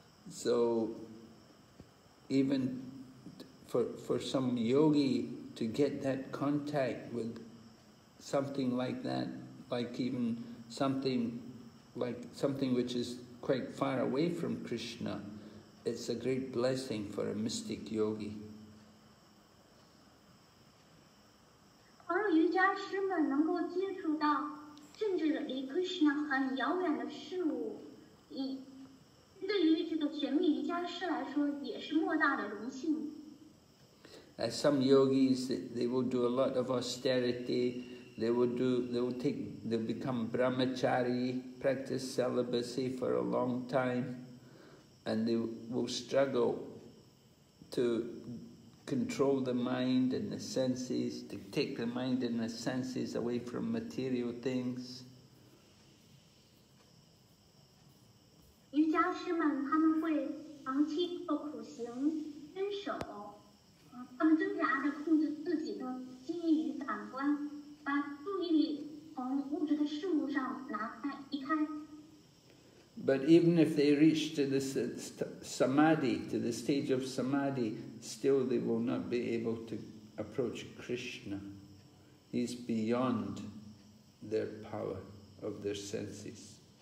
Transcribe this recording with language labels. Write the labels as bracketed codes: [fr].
[en] So, even for some yogi to get that contact with something like that, like even something which is quite far away from Krishna, it's a great blessing for a mystic yogi. [zh] 而瑜伽师们能够接触到甚至离 Krishna 很遥远的事物，对于这个玄秘瑜伽师来说也是莫大的荣幸。 [en] As some yogis, they will do a lot of austerity. They'll become brahmachari, practice celibacy for a long time, and they will struggle to control the mind and the senses, to take the mind and the senses away from material things. [zh] 瑜伽师们他们会长期做苦行坚守，他们挣扎着控制自己的心意与感官，把注意力从物质的事物上拿开移开。 [en] But even if they reach to the samadhi, to the stage of samadhi, still they will not be able to approach Krishna. He's beyond their power of their senses.